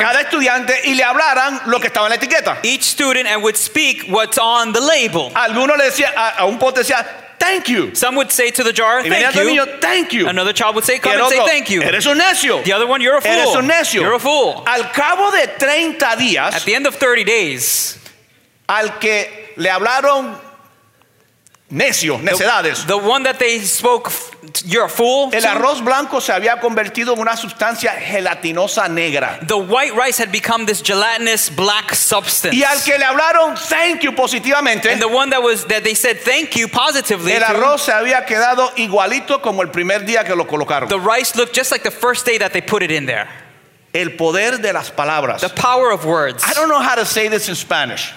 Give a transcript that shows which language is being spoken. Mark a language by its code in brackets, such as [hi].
[es] Cada estudiante y le hablaran lo que estaba en la etiqueta. [en] Each student and would speak what's on the label. [es] Alguno le decía a un pote decía [en] thank you. Some would say to the jar thank you. Niño, thank you. Another child would say come otro, and say thank you. [es] Eres un necio. [en] The other one you're a fool. [es] Eres un necio. [en] You're a fool. [es] Al cabo de 30 días, [en] at the end of 30 days, [es] al que le hablaron necio, necedades. [en] The one that they spoke you're a fool. [es] El arroz blanco se había convertido en una sustancia gelatinosa negra. [en] The white rice had become this gelatinous black substance. [es] Y al que le hablaron [en] thank you [es] positivamente. [en] And the one that they said thank you positively. [es] El arroz se había quedado igualito como el primer día que lo colocaron. [en] The rice looked just like the first day that they put it in there. [es] El poder de las palabras. [en] The power of words. I don't know how to say this in Spanish.